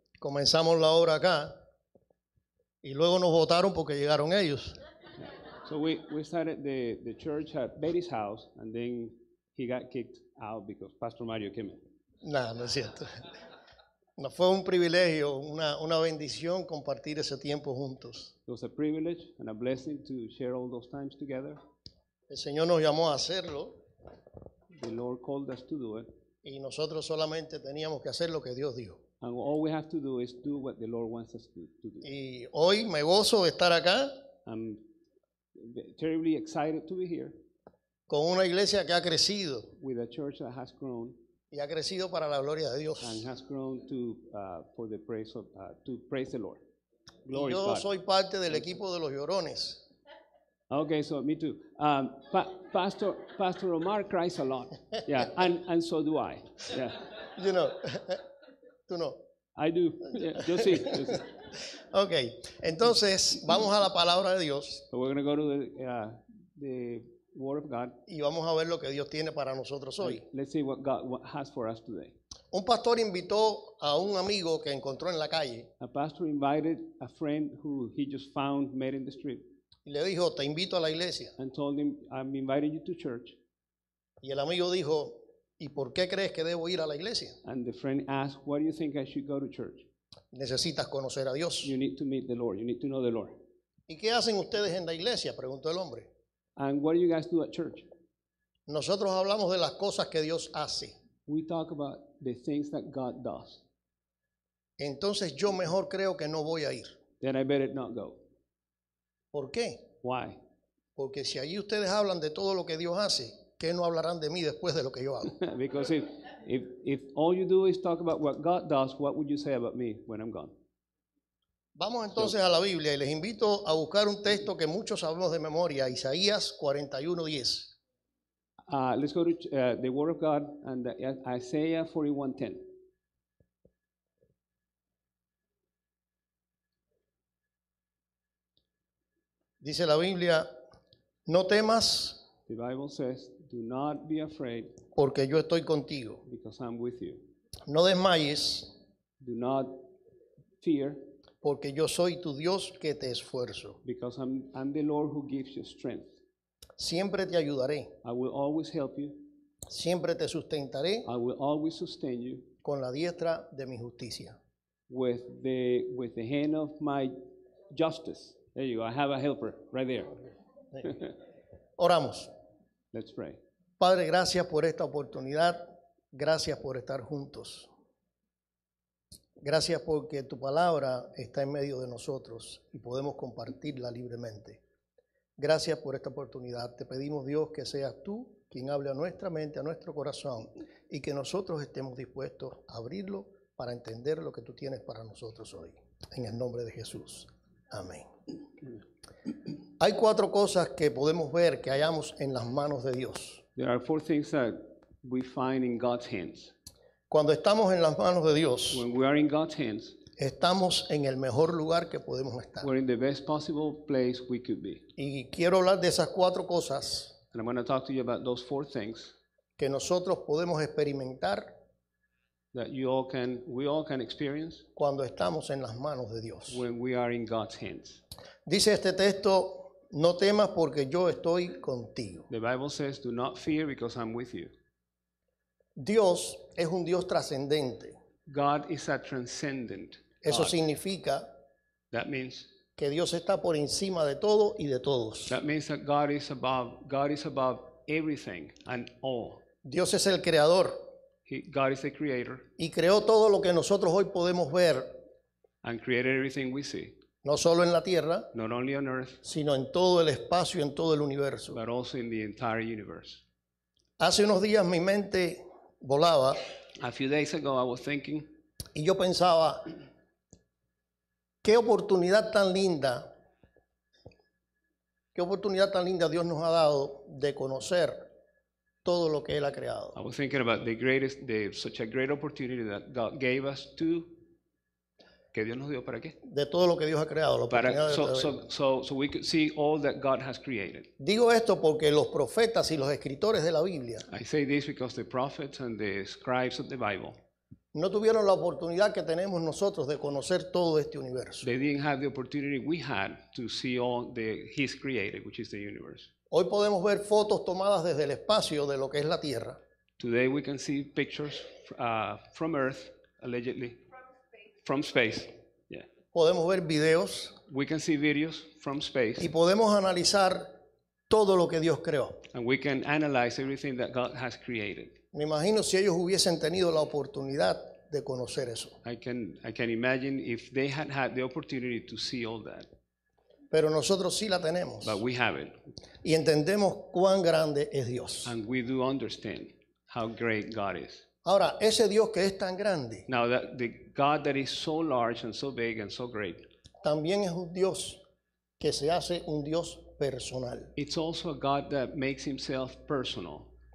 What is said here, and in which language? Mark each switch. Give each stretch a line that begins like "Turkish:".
Spanish: comenzamos la obra acá y luego nos votaron porque llegaron ellos.
English: Yeah. So we started the church at Betty's house and then he got kicked out because Pastor Mario came in.
Spanish: No es cierto. No fue un privilegio, una bendición compartir ese tiempo juntos.
English: It was a privilege and a blessing to share all those times together.
Spanish: El Señor nos llamó a hacerlo.
English: The Lord called us to do it.
Spanish: Y nosotros solamente teníamos que hacer lo que Dios dijo.
English: And all we have to do is do what the Lord wants us to do.
Spanish: Y hoy me gozo de estar acá.
English: I'm terribly excited to be here.
Spanish: Con una iglesia que ha crecido.
English: With a church that has grown.
Spanish: Y ha crecido para la gloria de Dios.
English: And has grown to for the praise of to praise the Lord. Glory to God.
Spanish: Yo soy parte del equipo de los llorones.
English: Okay, so me too. Pastor Omar cries a lot. Yeah, and so do I. Yeah. You know.
Spanish: Tú no.
English: I do. Yeah,
Spanish: yo sí. Yo sí. Okay. Entonces, vamos a la palabra de Dios.
English: So we're going to go to the Word of God.
Spanish: Y vamos a ver lo que Dios tiene para nosotros hoy.
English: Let's see what God has for us today.
Spanish: Un pastor invitó a un amigo que encontró en la calle.
English: A pastor invited a friend who he just found, met in the street.
Spanish: Y le dijo, te invito a la iglesia.
English: And told him, I'm inviting you to church.
Spanish: Y el amigo dijo, ¿y por qué crees que debo ir a la iglesia?
English: And the friend asked, why do you think I should go to church?
Spanish: Necesitas conocer a Dios.
English: You need to meet the Lord. You need to know the Lord.
Spanish: ¿Y qué hacen ustedes en la iglesia? Preguntó el hombre.
English: And what do you guys do at church?
Spanish: Nosotros hablamos de las cosas que Dios hace.
English: We talk about the things that God does.
Spanish: Entonces yo mejor creo que no voy a ir.
English: Then I better not go.
Spanish: ¿Por qué?
English: Why?
Spanish: Porque si allí ustedes hablan de todo lo que Dios hace, ¿qué no hablarán de mí después de lo que yo hago?
English: Because if all you do is talk about what God does, what would you say about me when I'm gone?
Spanish: Vamos entonces a la Biblia y les invito a buscar un texto que muchos sabemos de memoria, Isaías 41:10.
English: Let's go to the Word of God and Isaiah 41:10.
Spanish: Dice la Biblia, no temas.
English: The Bible says, do not be afraid.
Spanish: Porque yo estoy contigo.
English: Because I'm with you.
Spanish: No desmayes.
English: Do not fear.
Spanish: porque yo soy tu Dios que te esfuerzo.
English: Because I'm the Lord who gives you strength.
Spanish: Siempre te ayudaré.
English: I will always help you.
Spanish: Siempre te sustentaré.
English: I will always sustain you.
Spanish: Con la diestra de mi justicia.
English: With the hand of my justice. There you go. I have a helper right there.
Spanish: Oramos.
English: Let's pray.
Spanish: Padre, gracias por esta oportunidad. Gracias por estar juntos. Gracias porque tu palabra está en medio de nosotros y podemos compartirla libremente. Gracias por esta oportunidad. Te pedimos, Dios, que seas tú quien hable a nuestra mente, a nuestro corazón, y que nosotros estemos dispuestos a abrirlo para entender lo que tú tienes para nosotros hoy. En el nombre de Jesús. Amén. Hay cuatro cosas que podemos ver que hallamos en las manos de Dios.
English: There are four things that we find in God's hands.
Spanish: Cuando estamos en las manos de Dios,
English: when we are in God's hands,
Spanish: estamos en el mejor lugar que podemos estar.
English: We're in the best possible place we could be.
Spanish: Y quiero hablar de esas cuatro cosas.
English: And I'm going to talk to you about those four things
Spanish: que nosotros podemos experimentar,
English: that you all can, we all can experience,
Spanish: cuando estamos en las manos de Dios.
English: When we are in God's hands.
Spanish: Dice este texto, no temas porque yo estoy contigo.
English: The Bible says, do not fear because I'm with you.
Spanish: Dios es un Dios trascendente.
English: God is a transcendent God.
Spanish: Eso significa,
English: that means,
Spanish: que Dios está por encima de todo y de todos.
English: That means that God is above everything and all.
Spanish: Dios es el creador.
English: God is the creator.
Spanish: Y creó todo lo que nosotros hoy podemos ver.
English: And created everything we see.
Spanish: No solo en la tierra,
English: not only on earth,
Spanish: sino en todo el espacio, en todo el universo.
English: But also in the entire universe.
Spanish: Hace unos días mi mente volaba.
English: A few days ago I was thinking.
Spanish: Y yo pensaba, qué oportunidad tan linda Dios nos ha dado de conocer todo lo que Él ha creado.
English: I was thinking about such a great opportunity that God gave us to,
Spanish: que Dios nos dio para qué? De todo lo que Dios ha creado, lo
English: para, so we could see all that God has created.
Spanish: Digo esto porque los profetas y los escritores de la Biblia,
English: I say this because the prophets and the scribes of the Bible,
Spanish: no tuvieron la oportunidad que tenemos nosotros de conocer todo este universo.
English: They didn't have the opportunity we had to see all the His created, which is the universe.
Spanish: Hoy podemos ver fotos tomadas desde el espacio de lo que es la Tierra.
English: Today we can see pictures from Earth, allegedly. From space, yeah.
Spanish: Podemos ver videos.
English: We can see videos from space.
Spanish: Y podemos analizar todo lo que Dios creó.
English: And we can analyze everything that God has created.
Spanish: Me imagino si ellos hubiesen tenido la oportunidad de conocer eso.
English: I can imagine if they had had the opportunity to see all that.
Spanish: Pero nosotros sí la tenemos.
English: But we have it.
Spanish: Y entendemos cuán grande es Dios.
English: And we do understand how great God is.
Spanish: Ahora, ese Dios que es tan grande.
English: Now that the God that is so large and so big and so great.
Spanish: También es un Dios que se hace un Dios personal.
English: It's also a God that makes himself personal.